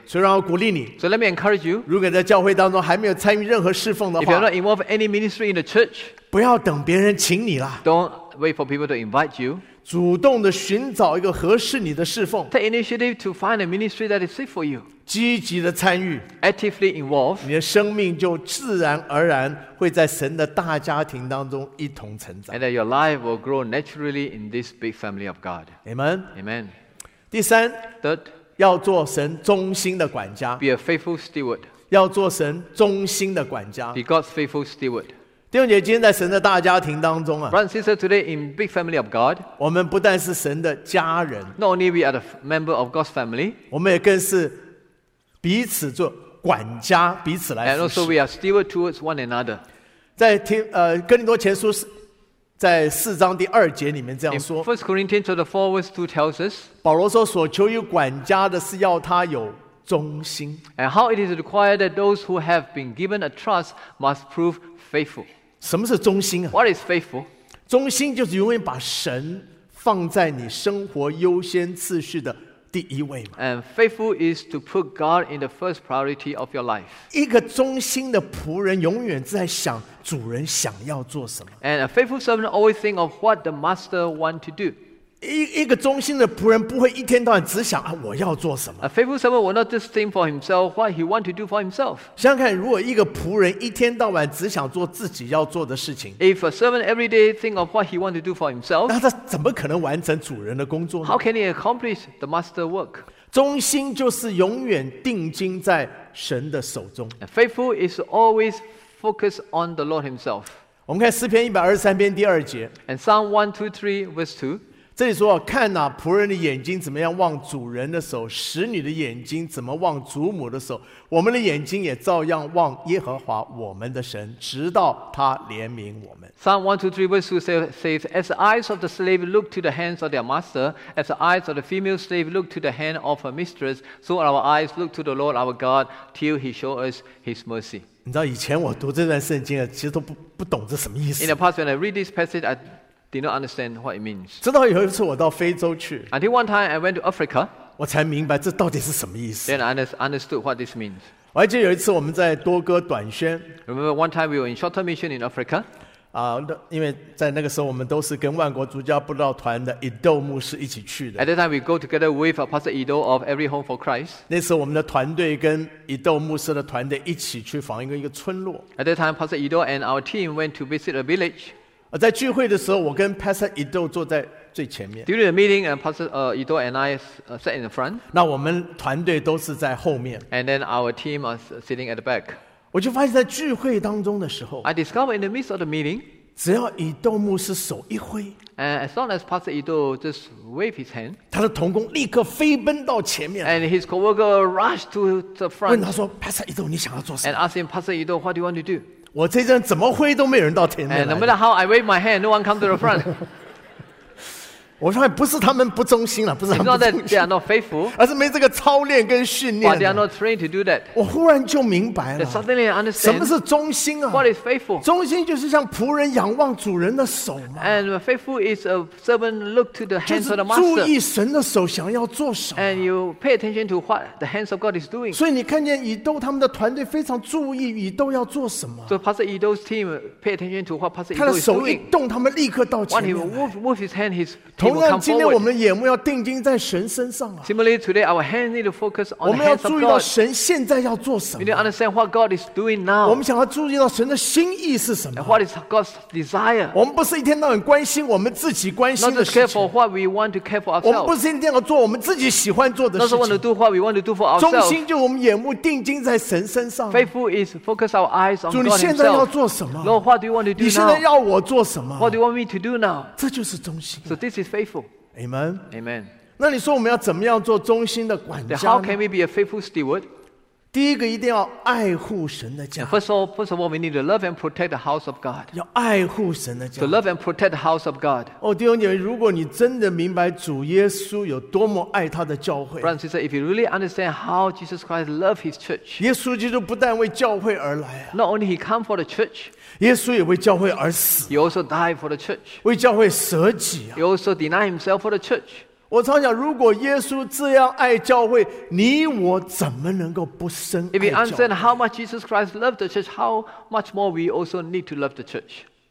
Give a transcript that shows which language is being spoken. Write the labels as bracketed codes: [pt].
[zh] 所以让我鼓励你。 [en] So let me encourage you. [zh] 如果在教会当中还没有参与任何侍奉的话 [en] ，If you're not involved any ministry in the church, [zh] 不要等别人请你了。 [en] Don't wait for people to invite you. [zh] 主动的寻找一个合适你的侍奉。 [en] Take initiative to find a ministry that is fit for you. [zh] 积极的参与 [en] actively involved [zh] 你的生命就自然而然会在神的大家庭当中一同成长 [en] and that your life will grow naturally in this big family of God Amen Amen [zh] 第三 [en] Third, [zh] 要做神忠心的管家 [en] Be a faithful steward [zh] 要做神忠心的管家 [en] Be God's faithful steward [zh] 弟兄姐今天在神的大家庭当中啊 [en] Brothers and sisters, today in big family of God, [zh] 我们不但是神的家人 [en] Not only we are the member of God's family, [zh] 我们也更是彼此做管家彼此来服侍 [en] And also we are steward towards one another. [zh] 在听哥林多前书在四章第二节里面这样说 [en] 1 Corinthians 4 verse 2 tells us, [zh] 保罗说所求于管家的是要他有忠心 [en] And how it is required that those who have been given a trust must prove faithful. [zh] 什么是忠心啊 [en] What is faithful? [zh] 忠心就是永远把神放在你生活优先次序的第一位嘛。 [en] And faithful is to put God in the first priority of your life. [zh] 一个忠心的仆人永远在想主人想要做什么。 [en] And a faithful servant always think of what the master wants to do. [zh] 一个忠心的仆人不会一天到晚只想啊我要做什么。 [en] A faithful servant will not just think for himself what he wants to do for himself. [zh] 想想看，如果一个仆人一天到晚只想做自己要做的事情 [en] ，If a servant every day think of what he wants to do for himself, [zh] 那他怎么可能完成主人的工作呢 [en] ？How can he accomplish the master work? [zh] 忠心就是永远定睛在神的手中。 [en] A faithful is always focused on the Lord himself. [zh] 我们看诗篇123篇第二节 [en] ，And Psalm 123 verse 2。 [zh] 这里说看哪仆人的眼睛怎么样望主人的手使女的眼睛怎么望祖母的手我们的眼睛也照样望耶和华我们的神直到他怜悯我们 [en] Psalm 123 verse 2 says As the eyes of the slave look to the hands of their master As the eyes of the female slave look to the hand of her mistress So our eyes look to the Lord our God Till he show us his mercy [zh] 你知道以前我读这段圣经其实都 不懂这什么意思 [en] In the past when I read this passage I did not understand what it means. [zh] 直到有一次我到非洲去 [en] Until one time I went to Africa, [zh] 我才明白这到底是什么意思。 [en] Then I understood what this means. [zh] 我还记得有一次我们在多哥短宣 [en] Remember one time we were in short-term mission in Africa? [zh] 因为在那个时候我们都是跟万国主教布道团的 Edo 牧师一起去的。 [en] At that time we go together with Pastor Edo of Every Home for Christ. [zh] 那时候我们的团队跟 Edo 牧师的团队一起去访一个村落。 [en] At that time Pastor Edo and our team went to visit a village. [zh] 在聚会的时候，我跟 Pastor Edo 坐在最前面。 [en] During the meeting, Pastor Edo and I sat in the front. [zh] 那我们团队都是在后面。 [en] And then our team was sitting at the back. [zh] 我就发现，在聚会当中的时候 [en] ，I discovered in the midst of the meeting, [zh] 只要 Edo 牧师手一挥 [en] ，And as long as Pastor Edo just wave his hand, [zh] 他的同工立刻飞奔到前面 [en] ，And his coworker rushed to the front. [zh] 问他说 ，Pastor Edo， 你想要做什么 [en] ？And asked him, Pastor Edo, what do you want to do? [zh] 我这阵怎么挥都没人到前面来。 [en] And no matter how I wave my hand, no one comes to the front. [zh] 我发现不是他们不忠心了，不是他们不忠心。 [en] It's not that they are not faithful. [zh] 而是没这个操练跟训练。 [en] But they are not trained to do that. [zh] 我忽然就明白了。 [en] That suddenly I understand. [zh] 什么是忠心啊 [en] ？What is faithful? [zh] 忠心就是像仆人仰望主人的手嘛。 [en] And faithful is a servant look to the hands of the master. [zh] 就是注意神的手想要做什么。 [en] And you pay attention to what the hands of God is doing. [zh] 所以你看见以斗他们的团队非常注意以斗要做什么。 [en] So Pastor Edo's team pay attention to what Pastor Edo is doing. [zh] 他的手一动，他们立刻到前面来。 [en] When he moves his hand, his team [zh] 同样，今天我们眼目要定睛在神身上啊。 [en] Similarly, today our hands need to focus on the God. [zh] 我们要注意到神现在要做什么。 [en] We need to understand what God is doing now. [zh] 我们想要注意到神的心意是什么。 [en] What is God's desire? [zh] 我们不是一天到晚关心我们自己关心的事情。 [en] Not just care for what we want to care for ourselves. [zh] 我们不是一天到晚做我们自己喜欢做的事情。 [en] Not just want to do what we want to do for ourselves. [zh] 忠心就我们眼目定睛在神身上。 [en] Faithful is focus our eyes on God himself. [zh] 主，你现在要做什么 [en] ？Lord, what do you want to do now? [zh] 你现在要我做什么 [en] ？What do you want me to do now? [zh] 这就是忠心。 [en] So this is faithful. Amen. Amen. [zh] 那你说我们要怎么样做忠心的管家呢 [en] ？How can we be a faithful steward? [zh] 第一个一定要爱护神的家。 [en] First of all, we need to love and protect the house of God. [zh] 要爱护神的家。 [en] To love and protect the house of God. [zh] 哦，弟兄姐妹，如果你真的明白主耶稣有多么爱他的教会 [en] ，Brothers and sisters, if you really understand how Jesus Christ loves His church, [zh] 耶稣基督不但为教会而来 [en] ，Not only He come for the church. [zh] 耶稣也为教会而死 [en] He also died for the church [zh] 为教会舍己、 [en] He also denied himself for the church [zh] 我常想如果耶稣这样爱教会你我怎么能够不深爱教会 [en] If you understand how much Jesus Christ loved the church How much more we also need to love the church